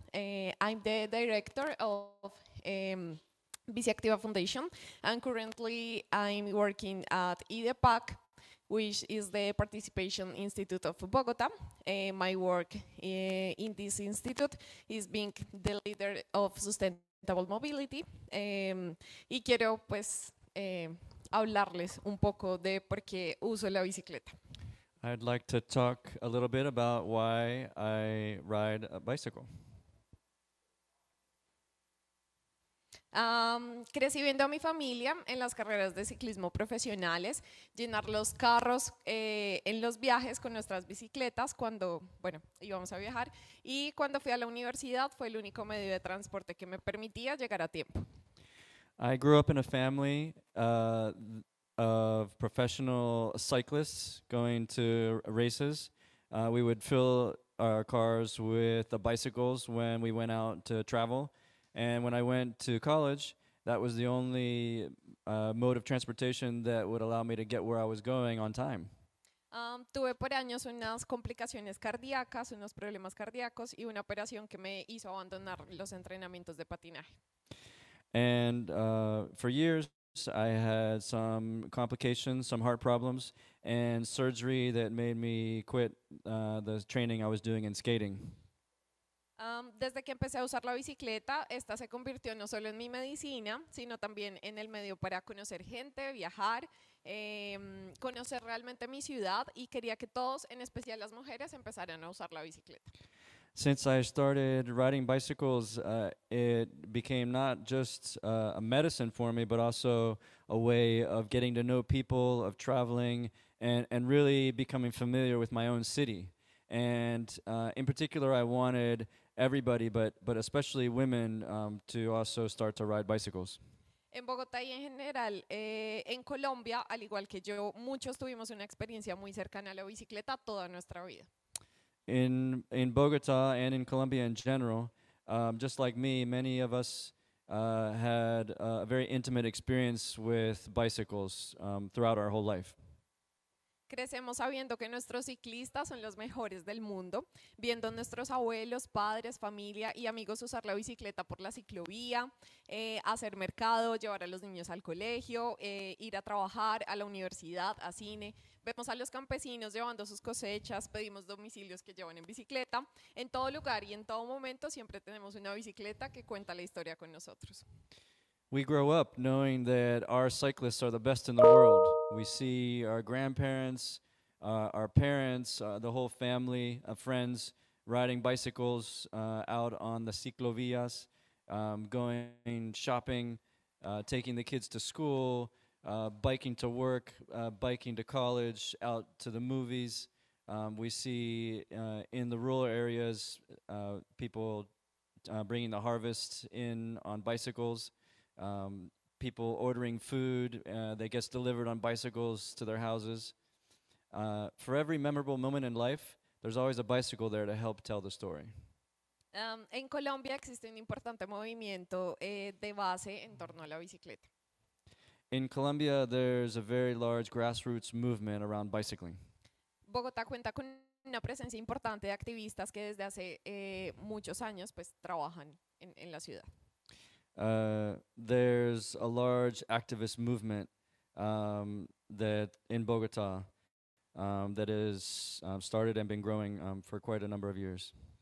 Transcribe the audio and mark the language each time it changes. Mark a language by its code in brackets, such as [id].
[en] I'm the director of Bici Activa Foundation, and currently I'm working at IDEPAC, which is the Participation Institute of Bogota. My work in this institute is being the leader of sustainable mobility. [es] Y quiero pues hablarles un poco de por qué uso la bicicleta. [en] I'd like to talk a little bit about why I ride a bicycle. [es] Crecí viendo a mi familia en las carreras de ciclismo profesionales, llenar los carros en los viajes con nuestras bicicletas cuando, bueno, íbamos a viajar. Y cuando fui a la universidad fue el único medio de transporte que me permitía llegar a tiempo. [en] I grew up in a family of professional cyclists going to races. We would fill our cars with the bicycles when we went out to travel. And when I went to college, that was the only mode of transportation that would allow me to get where I was going on time. [es] Tuve por años unas complicaciones cardíacas, unos problemas cardíacos, y una operación que me hizo abandonar los entrenamientos de patinaje. [en] And for years, I had some complications, some heart problems, and surgery that made me quit the training I was doing in skating. [es] Desde que empecé a usar la bicicleta, esta se convirtió no solo en mi medicina, sino también en el medio para conocer gente, viajar, conocer realmente mi ciudad, y quería que todos, en especial las mujeres, empezaran a usar la bicicleta. [en] Since I started riding bicycles, it became not just a medicine for me, but also a way of getting to know people, of traveling, and really becoming familiar with my own city. And in particular, I wanted everybody, but especially women, to also start to ride bicycles. [es] En Bogotá y en general, en Colombia, al igual que yo, muchos tuvimos una experiencia muy cercana a la bicicleta toda nuestra vida. [en] In Bogotá and in Colombia in general, just like me, many of us had a very intimate experience with bicycles throughout our whole life. [es] Crecemos sabiendo que nuestros ciclistas son los mejores del mundo, viendo nuestros abuelos, padres, familia y amigos usar la bicicleta por la ciclovía, hacer mercado, llevar a los niños al colegio, ir a trabajar, a la universidad, a cine. Vemos a los campesinos llevando sus cosechas, pedimos domicilios que llevan en bicicleta. En todo lugar y en todo momento siempre tenemos una bicicleta que cuenta la historia con nosotros. [en] We grow up knowing that our cyclists are the best in the world. We see our grandparents, our parents, the whole family of friends riding bicycles out on the ciclovias, going shopping, taking the kids to school, biking to work, biking to college, out to the movies. We see in the rural areas people bringing the harvest in on bicycles. People ordering food that gets delivered on bicycles to their houses. For every memorable moment in life, there's always a bicycle there to help tell the story. [es] En Colombia existe un importante movimiento de base en torno a la bicicleta. [en] In Colombia, there's a very large grassroots movement around bicycling. [es] Bogotá cuenta con una presencia importante de activistas que desde hace muchos años pues trabajan en la ciudad. [en] There's a large activist movement that in Bogota that is started and been growing for quite a number of years.